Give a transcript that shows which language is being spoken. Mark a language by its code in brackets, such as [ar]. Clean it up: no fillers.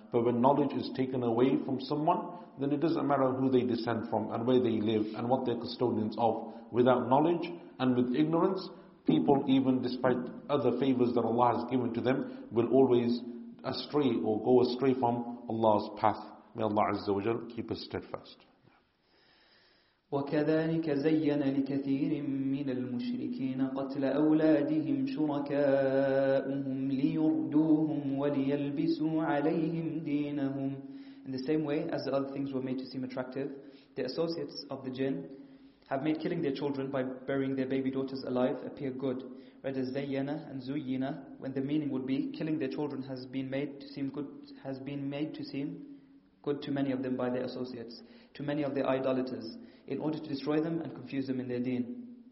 [en] But when knowledge is taken away from someone, then it doesn't matter who they descend from and where they live and what they're custodians of. Without knowledge and with ignorance, people, even despite other favors that Allah has given to them, will always astray or go astray from Allah's path. May Allah Azza wa Jal keep us steadfast. [ar] وكذلك زين لكثير من المشركين قتل أولادهم شركاؤهم ليردوهم وليلبسوا عليهم دينهم. [en] In the same way as the other things were made to seem attractive, the associates of the jinn have made killing their children by burying their baby daughters alive appear good. Whereas zayyana and zuyina, when the meaning would be killing their children, has been made to seem good, has been made to seem good to many of them by their associates, to many of their idolaters, in order to destroy them and confuse them in their deen.